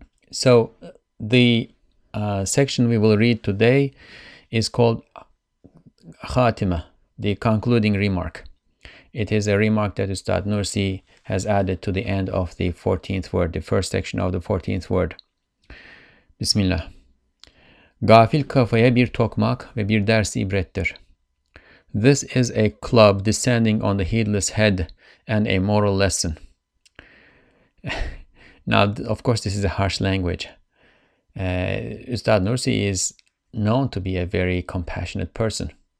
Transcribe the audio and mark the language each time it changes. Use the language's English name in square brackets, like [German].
[English] So the section we will read today is called Khatima, the concluding remark. It is a remark that Ustad Nursi has added to the end of the 14th word, the first section of the 14th word. [Arabic] Bismillah. [Turkish] Gafil kafaya bir tokmak ve bir ders ibrettir. [English] This is a club descending on the heedless head and a moral lesson. Now, of course, this is a harsh language. Ustad Nursi is known to be a very compassionate person.